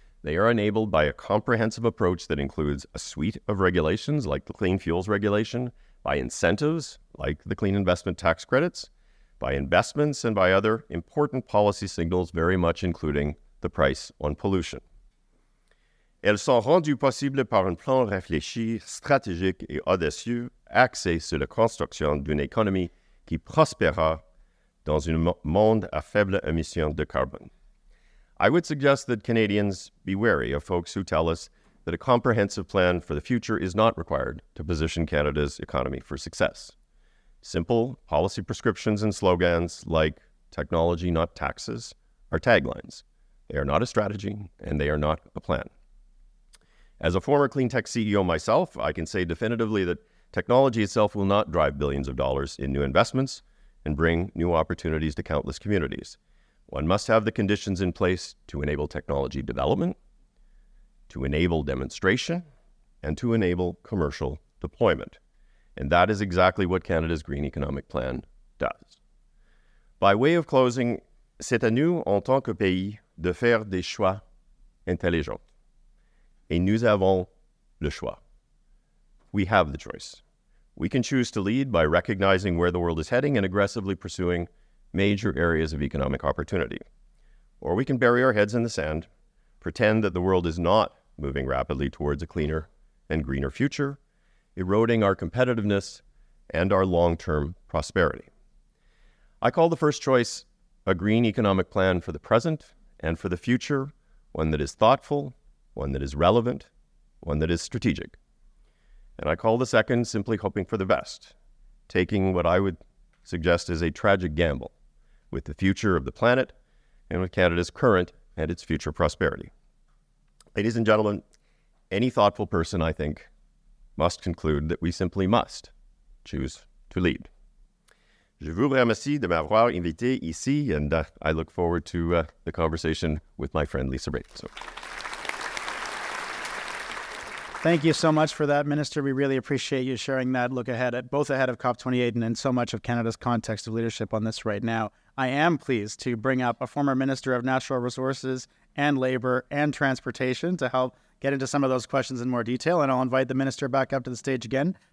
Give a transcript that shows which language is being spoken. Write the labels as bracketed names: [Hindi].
[English] They are enabled by a comprehensive approach that includes a suite of regulations like the Clean Fuels Regulation, by incentives like the Clean Investment Tax Credits, by investments and by other important policy signals, very much including the price on pollution. [French] Elles sont rendues possibles par un plan réfléchi, stratégique et audacieux, axé sur la construction d'une économie qui prospérera dans un monde à faible émission de carbone. [English] I would suggest that Canadians be wary of folks who tell us that a comprehensive plan for the future is not required to position Canada's economy for success. Simple policy prescriptions and slogans like technology, not taxes, are taglines. They are not a strategy and they are not a plan. As a former clean tech CEO myself, I can say definitively that technology itself will not drive billions of dollars in new investments and bring new opportunities to countless communities. One must have the conditions in place to enable technology development, to enable demonstration, and to enable commercial deployment. And that is exactly what Canada's Green Economic Plan does. By way of closing, [French] c'est à nous en tant que pays de faire des choix intelligents. Et nous avons le choix. [English] We have the choice. We can choose to lead by recognizing where the world is heading and aggressively pursuing major areas of economic opportunity. Or we can bury our heads in the sand, pretend that the world is not moving rapidly towards a cleaner and greener future, eroding our competitiveness and our long-term prosperity. I call the first choice a green economic plan for the present and for the future, one that is thoughtful, one that is relevant, one that is strategic. And I call the second simply hoping for the best, taking what I would suggest is a tragic gamble with the future of the planet and with Canada's current and its future prosperity. Ladies and gentlemen, any thoughtful person, I think, must conclude that we simply must choose to lead. [French] Je vous remercie de m'avoir invité ici, [English] and I look forward to the conversation with my friend Lisa Raitt. So. Thank you so much for that, Minister. We really appreciate you sharing that look ahead, at both ahead of COP28 and in so much of Canada's context of leadership on this right now. I am pleased to bring up a former Minister of Natural Resources and Labour and Transportation to help get into some of those questions in more detail, and I'll invite the Minister back up to the stage again.